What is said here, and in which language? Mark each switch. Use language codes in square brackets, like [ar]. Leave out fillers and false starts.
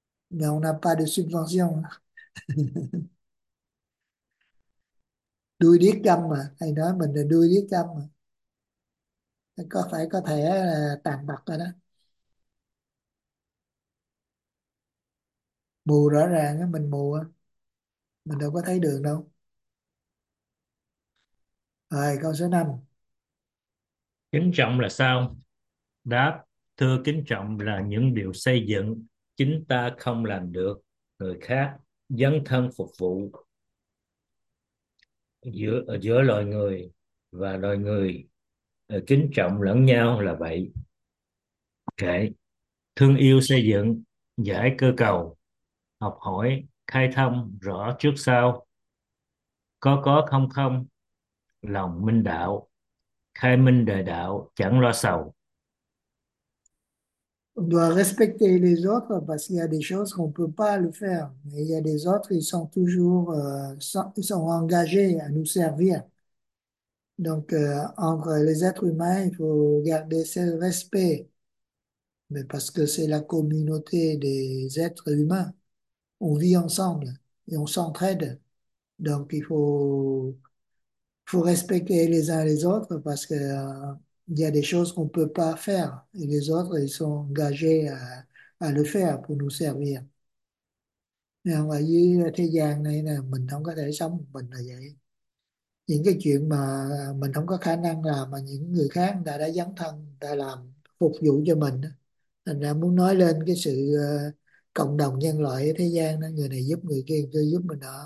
[fr] Mais on n'a pas de subvention. [vi] Đuôi điếc câm mà, hay nói mình là đuôi điếc câm mà, có phải có thể là tàn bạc rồi đó. Mù rõ ràng á, mình mù á, mình đâu có thấy đường đâu. Rồi câu số 5. Kính trọng là sao? Đáp: thưa, kính trọng là những điều xây dựng chính ta không làm được, người khác dấn thân phục vụ giữa giữa loài người và loài người kính trọng lẫn nhau là vậy. Kệ: thương yêu xây dựng, giải cơ cầu, học hỏi khai thông rõ trước sau, có không không lòng minh đạo, khai minh đời đạo chẳng lo sầu. [fr] On doit respecter les autres parce qu'il y a des choses qu'on ne peut pas le faire. Mais il y a des autres, ils sont toujours, ils sont engagés à nous servir. Donc, entre les êtres humains, il faut garder ce respect. Mais parce que c'est la communauté des êtres humains, on vit ensemble et on s'entraide. Donc, il faut respecter les uns les autres parce que, il y a des choses qu'on ne peut pas faire et les autres, ils sont engagés à le faire pour nous servir. [vi] Mais ở dưới thế gian này, nè, mình không có thể sống một mình là vậy. Những cái chuyện mà mình không có khả năng làm mà những người khác người ta đã dấn thân, người ta làm phục vụ cho mình. Thành ra muốn nói lên cái sự cộng đồng nhân loại ở thế gian đó, người này giúp người kia, người kia giúp mình đó.